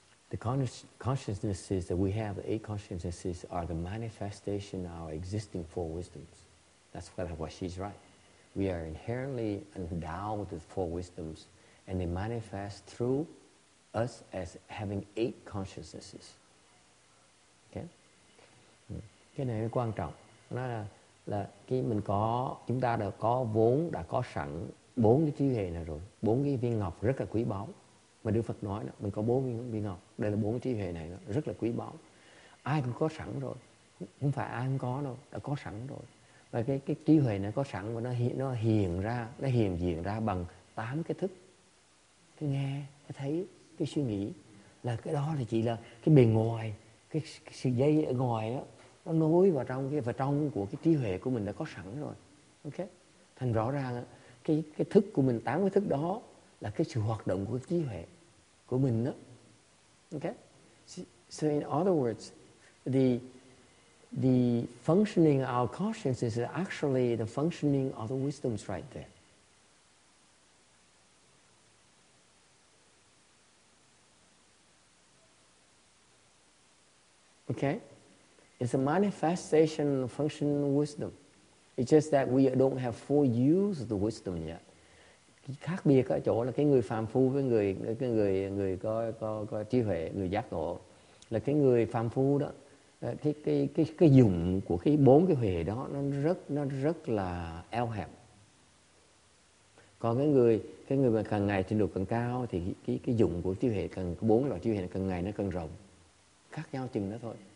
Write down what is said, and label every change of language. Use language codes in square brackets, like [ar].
[en] The consciousnesses that we have, the eight consciousnesses, are the manifestation of our existing four wisdoms. That's what she's right. We are inherently endowed with the four wisdoms, and they manifest through us as having eight consciousnesses. [vi] Okay? Cái này mới quan trọng. Nó là cái mình có, chúng ta đã có vốn, đã có sẵn bốn cái trí hệ này rồi. Bốn cái viên ngọc rất là quý báu. Mà Đức Phật nói là mình có bốn viên ngọc. Đây là bốn cái trí hệ này đó, rất là quý báu. Ai cũng có sẵn rồi. Không phải ai cũng có đâu, đã có sẵn rồi. Và cái trí huệ này có sẵn và nó hiện diện ra bằng tám cái thức. Cái nghe, cái thấy, cái suy nghĩ. Là cái đó thì chỉ là cái bề ngoài, cái sự dây ở ngoài á, nó nối vào trong cái, và trong của cái trí huệ của mình đã có sẵn rồi. Ok? Thành rõ ràng á, cái thức của mình, tám cái thức đó là cái sự hoạt động của trí huệ của mình đó. Ok? [en] So in other words, the functioning of our conscience is actually the functioning of the wisdoms right there. Okay? It's a manifestation of functioning wisdom. It's just that we don't have full use of the wisdom yet. [vi] Khác biệt ở chỗ là cái người phàm phu với người có trí huệ, người giác ngộ. Là cái người phàm phu đó, cái dùng của cái bốn cái huệ đó nó rất là eo hẹp. Còn cái người mà càng ngày trình độ càng cao thì cái dùng của trí huệ càng, bốn loại trí huệ càng ngày nó càng rộng, khác nhau chừng đó thôi.